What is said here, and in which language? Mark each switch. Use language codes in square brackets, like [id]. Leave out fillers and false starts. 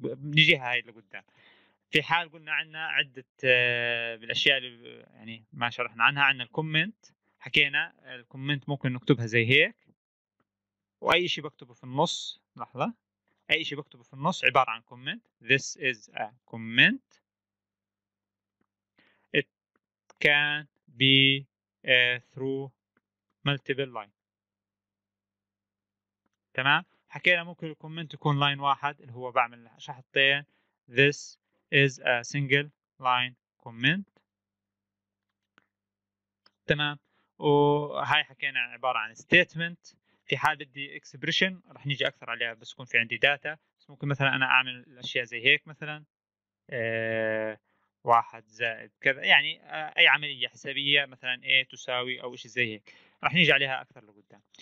[ar] نجيها هاي اللي قدام. في حال قلنا عندنا عده بالاشياء اللي يعني ما شرحنا عنها، عندنا الكومنت، حكينا الكومنت ممكن نكتبها زي هيك، واي شيء بكتبه في النص، لحظه، اي شيء بكتبه في النص عباره عن كومنت. [en] This is a comment. It can be through multiple lines. [ar] تمام. حكينا ممكن الكومنت يكون لاين واحد، اللي هو بعمل شحطتين. [en] This is a single line comment. [ar] تمام. وهاي حكينا عبارة عن statement. في حال بدي expression رح نيجي أكثر عليها، بس يكون في عندي data. بس ممكن مثلا أنا أعمل الأشياء زي هيك، مثلا واحد زائد كذا، يعني أي عملية حسابية مثلا A تساوي أو إشي زي هيك، رح نيجي عليها أكثر لقدام.